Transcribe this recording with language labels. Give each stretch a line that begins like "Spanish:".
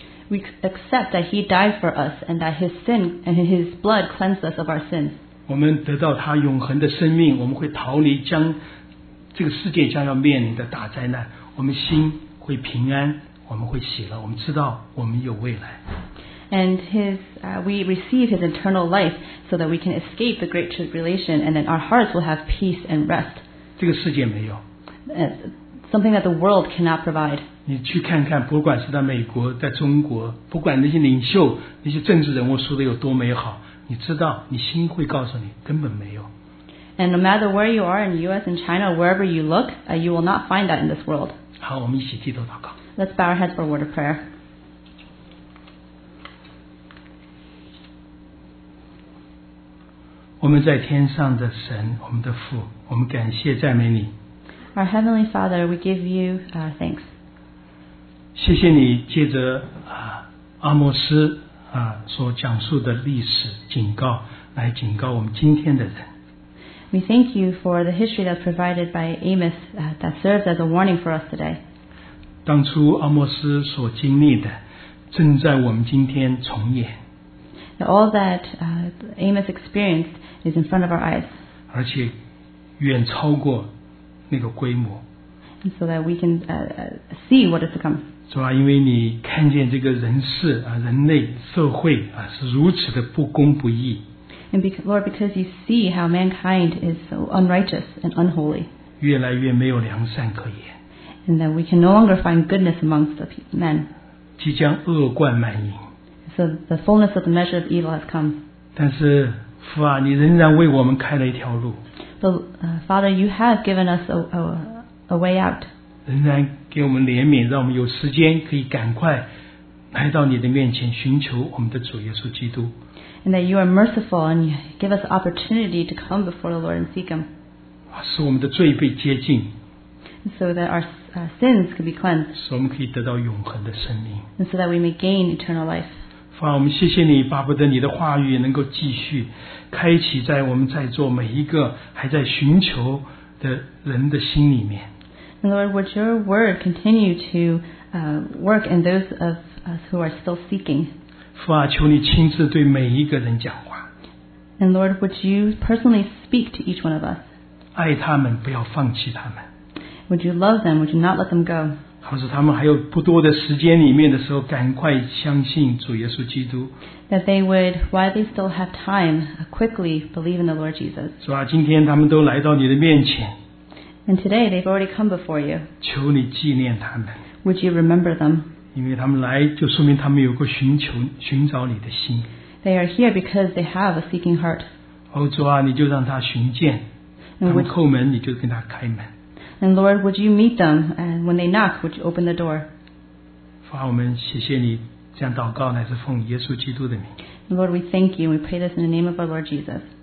English: We accept that He died for us and that His sin and His blood cleansed us of our sins.
Chinese: 我们得到他永恒的生命，我们会逃离将这个世界将要面临的大灾难，我们心会平安，我们会喜乐，我们知道我们有未来。
English: And we receive His eternal life so that we can escape the great tribulation, and then our hearts will have peace and rest.
Chinese: 这个世界没有。
English: Something that the world cannot provide.
Chinese: 你去看看，不管是在美国，在中国，不管那些领袖、那些政治人物说的有多美好，你知道，你心会告诉你，根本没有。
English: And no matter where you are in the U.S. and China, wherever you look, you will not find that in this world.
Chinese: 好，我们一起低头祷告。
English: Let's bow our heads for a word of prayer.
Chinese: 我们在天上的神，我们的父，我们感谢赞美你。
English: Our Heavenly Father, we give you thanks.
Chinese: 谢谢你借着阿摩斯所讲述的历史警告，来警告我们今天的人。
English: We thank you for the history that's provided by Amos that serves as a warning for us today.
Chinese: 当初阿摩斯所经历的，正在我们今天重演。
English: All that Amos experienced is in front of our eyes.
Chinese: 而且远超过那个规模。
English: So that we can see what is to come.
Chinese: 主啊，因为你看见这个人世人类社会是如此的不公不义。
English: And Lord, because you see how mankind is so unrighteous and unholy.
Chinese: 越来越没有良善可言。
English: And that we can no longer find goodness amongst the men.
Chinese: 即将恶贯满盈。
English: So the fullness of the measure of evil has come.
Chinese: 但是父啊，你仍然为我们开了一条路。
English: So, Father, you have given us a way out.
Chinese: 仍然给我们怜悯，让我们有时间可以赶快来到你的面前，寻求我们的主耶稣基督。
English: And that you are merciful and you give us opportunity to come before the Lord and seek Him.
Chinese: 使我们的罪被洁净。
English: So that our sins can be cleansed.
Chinese: 使我们可以得到永恒的生命。
English: And so that we may gain eternal life.
Chinese: 父啊，我们谢谢你，巴不得你的话语能够继续开启在我们在座每一个还在寻求的人的心里面。
English: And Lord, would your word continue to work in those of us who are still seeking?
Chinese: 父啊，求你亲自对每一个人讲话。
English: And Lord, would you personally speak to each one of us?
Chinese: 爱他们，不要放弃他们。
English: Would you love them? Would you not let them go?
Chinese: 好使他们还有不多的时间里面的时候，赶快相信主耶稣基督。
English: That they would, while they still have time, quickly believe in the Lord Jesus.
Chinese: 主啊，今天他们都来到你的面前。
English: And today they've already come before you.
Chinese: 求你纪念他们。
English: Would you remember them?
Chinese: 因为他们来，就说明他们有个寻找你的心。
English: They are here because they have a seeking heart.
Chinese: 哦，主啊，你就让他寻见，他们叩门，你就跟他开门。
English: And Lord, would you meet them? And when they knock, would you open the door?
Chinese: 父啊，我们谢谢你，这样祷告乃是奉耶稣基督的名。
English: Lord, we thank you. We pray this in the name of our Lord Jesus.